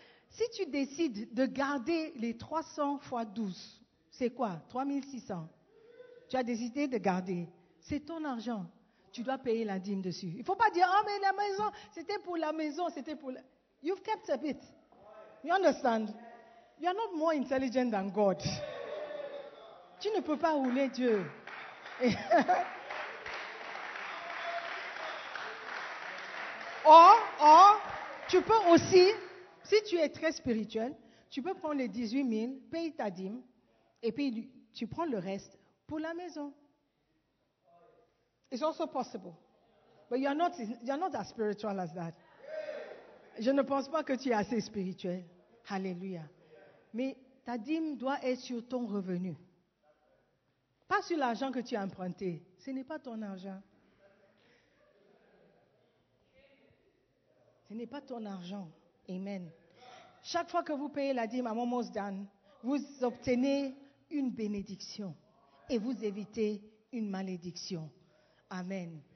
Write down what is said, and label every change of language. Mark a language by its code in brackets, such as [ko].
[fr] Si tu décides de garder les 300 fois 12, c'est quoi? 3600. Tu as décidé de garder. C'est ton argent. Tu dois payer la dîme dessus. Il ne faut pas dire, oh, mais la maison, c'était pour la maison, c'était pour la... [en] You've kept a bit. You understand? You are not more intelligent than God. [fr] Tu ne peux pas rouler Dieu. Or, tu peux aussi, si tu es très spirituel, tu peux prendre les 18 000, payer ta dîme, et puis tu prends le reste pour la maison. [en] It's also possible. But you're not as spiritual as that. [fr] Je ne pense pas que tu es assez spirituel. Alléluia. Mais ta dîme doit être sur ton revenu. Pas sur l'argent que tu as emprunté. Ce n'est pas ton argent. Ce n'est pas ton argent. Amen. Chaque fois que vous payez la dîme, [en] I'm almost done, [fr] vous obtenez une bénédiction et vous évitez une malédiction. Amen.